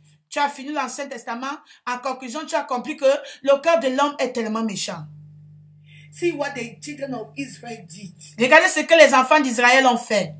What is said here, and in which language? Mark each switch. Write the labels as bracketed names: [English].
[French] Tu as fini l'Ancien Testament. En conclusion, tu as compris que le cœur de l'homme est tellement méchant. [English] See what the children of Israel did. [French] Regardez ce que les enfants d'Israël ont fait.